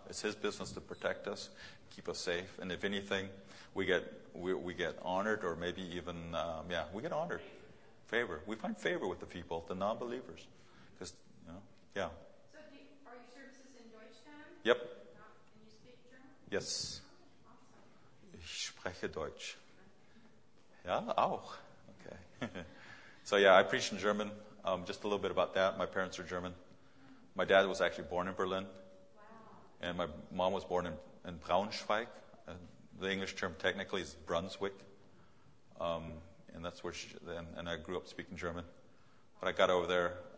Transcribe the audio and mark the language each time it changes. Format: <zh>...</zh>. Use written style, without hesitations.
<en>It's his business to protect us, keep us safe. And if anything, we get honored, or maybe even, we get honored. Favor. We find favor with the people, the non-believers. Because, yeah. So are your services in Deutschland? Yep. Can you speak German?</en> <de>Yes. Ich spreche Deutsch. Ja, auch. Okay.</de> <en>So yeah, I preach in German. Just a little bit about that. My parents are German. My dad was actually born in Berlin. Wow. And my mom was born in Braunschweig. The English term technically is Brunswick. And that's where and I grew up speaking German. But I got over there.</en>